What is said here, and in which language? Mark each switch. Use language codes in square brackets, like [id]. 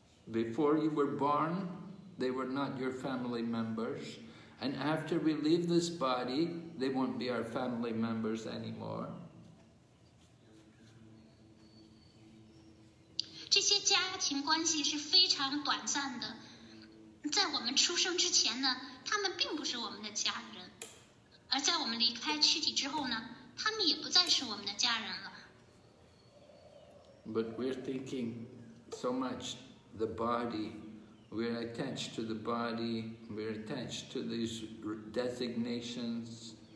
[en] Before you were born, they were not your family members. And after we leave this body, they won't be our family members anymore. [zh] 这些家庭关系是非常短暂的。在我们出生之前呢，他们并不是我们的家人。而在我们离开躯体之后呢，他们也不再是我们的家人了。 [en] But we're thinking so much the body. We're attached to the body, we're attached to these designations.